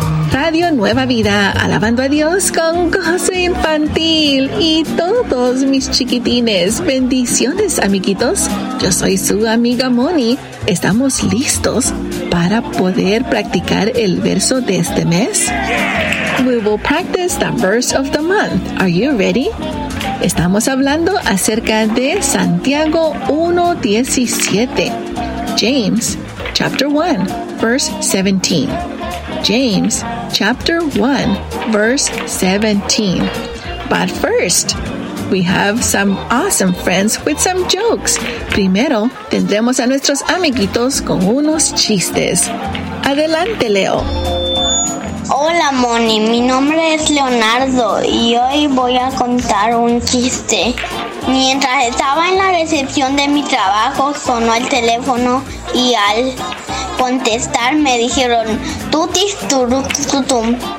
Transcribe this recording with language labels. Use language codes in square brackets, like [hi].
[es] Radio Nueva Vida, alabando a Dios con Gozo Infantil y todos mis chiquitines. Bendiciones, amiguitos. Yo soy su amiga Moni. ¿Estamos listos para poder practicar el verso de este mes? [en] Yeah. We will practice the verse of the month. Are you ready? [es] Estamos hablando acerca de Santiago 1:17. [en] James, chapter 1, verse 17. James, chapter 1, verse 17. But first, we have some awesome friends with some jokes. [es] Primero, tendremos a nuestros amiguitos con unos chistes. Adelante, Leo. Hola, Moni. Mi nombre es Leonardo y hoy voy a contar un chiste. Mientras estaba en la recepción de mi trabajo, sonó el teléfono y al contestar me dijeron tutis turututum.